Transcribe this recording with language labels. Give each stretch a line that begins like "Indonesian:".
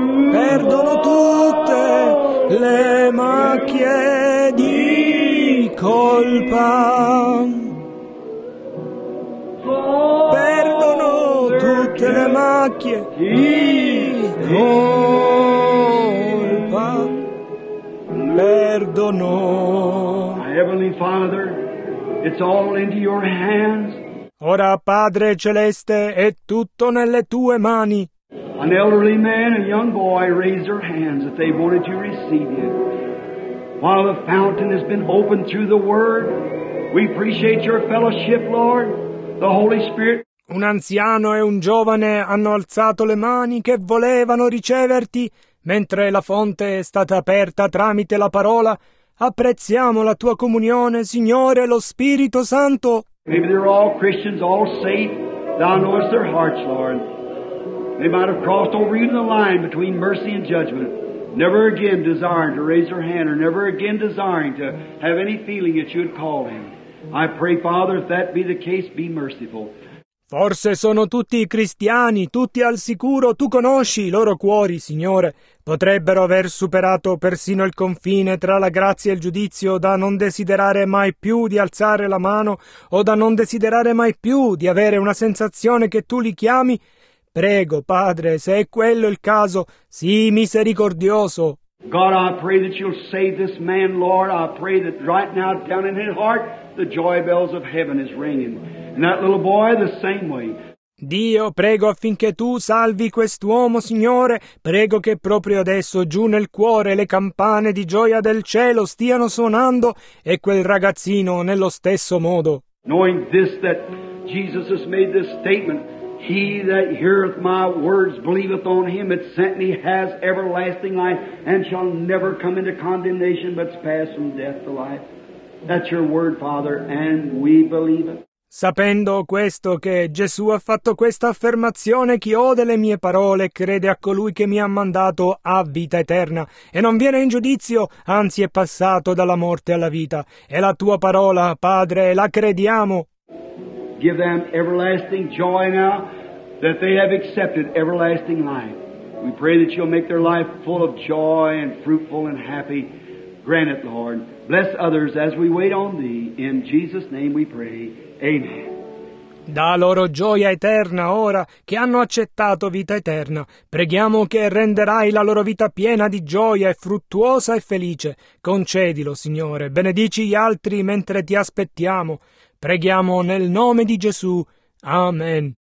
Italian: Perdono tutte le macchie di colpa. Perdono tutte le macchie di colpa. Perdono.
English: Heavenly Father, it's all into your hands.
Italian: Ora, Padre Celeste, è tutto nelle tue mani.
English: An elderly man and young boy raised their hands that they wanted to receive you. While the fountain has been opened through the Word, we appreciate your fellowship, Lord. The Holy Spirit.
Italian: Un anziano e un giovane hanno alzato le mani che volevano riceverti, mentre la fonte è stata aperta tramite la parola. Apprezziamo la tua comunione, Signore, lo Spirito Santo.
English: Maybe they're all Christians, all saved. Thou knowest their hearts, Lord. They might have crossed over even the line between mercy and judgment, never again desiring to raise their hand or never again desiring to have any feeling that you would call him. I pray, Father, if that be the case, be merciful.
Italian: Forse sono tutti cristiani, tutti al sicuro, tu conosci i loro cuori, Signore. Potrebbero aver superato persino il confine tra la grazia e il giudizio, da non desiderare mai più di alzare la mano, o da non desiderare mai più di avere una sensazione che tu li chiami. Prego, Padre, se è quello il caso, sii misericordioso.
English: God, I pray that you'll save this man, Lord. I pray that right now, down in his heart, the joy bells of heaven is ringing. And that little boy, the same way.
Italian: Dio, prego affinché tu salvi quest'uomo, Signore. Prego che proprio adesso, giù nel cuore, le campane di gioia del cielo stiano suonando, e quel ragazzino nello stesso modo.
English: Knowing this, that Jesus has made this statement, he that heareth my words, believeth on him that sent me, has everlasting life, and shall never come into condemnation, but pass from death to life. That's your word, Father, and we believe it.
Italian: Sapendo questo, che Gesù ha fatto questa affermazione, chi ode le mie parole e crede a colui che mi ha mandato ha vita eterna, e non viene in giudizio, anzi è passato dalla morte alla vita. È la tua parola, Padre, la crediamo.
English: Give them everlasting joy now. that they have accepted everlasting life. We pray that you'll make their life full of joy and fruitful and happy. Grant it, Lord. Bless others as we wait on thee. In Jesus' name we pray. Amen.
Italian: Da loro gioia eterna ora che hanno accettato vita eterna, preghiamo che renderai la loro vita piena di gioia e fruttuosa e felice. Concedilo, Signore, benedici gli altri mentre ti aspettiamo. Preghiamo nel nome di Gesù. Amen.